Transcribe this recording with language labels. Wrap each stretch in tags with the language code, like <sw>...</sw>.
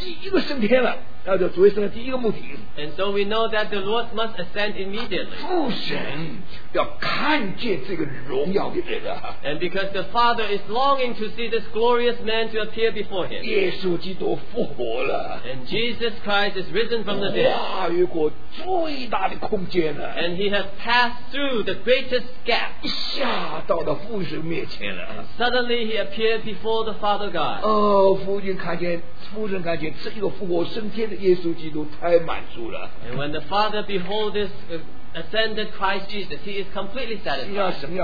<zh>那弟兄姊妹们所以第一个升天了要做主耶稣的第一个目的,</zh> <en>and so we know that the Lord must ascend immediately.</en> <zh>父神要看见这个荣耀的人,</zh> <en>and because the Father is longing to see this glorious man to appear before him.</en> <zh>耶稣基督复活了,</zh> <en>and Jesus Christ is risen from the dead.</en> <zh>跨越过最大的空间了,</zh> <en>and he has passed through the greatest gap.</en> <zh>一下到了父神面前了,</zh> <en>and suddenly he appeared before the Father God.</en> <zh>父神看见这个复活升天的耶稣基督太满足了,</zh> <en>and when the Father behold this ascended Christ Jesus, he is completely satisfied.</en>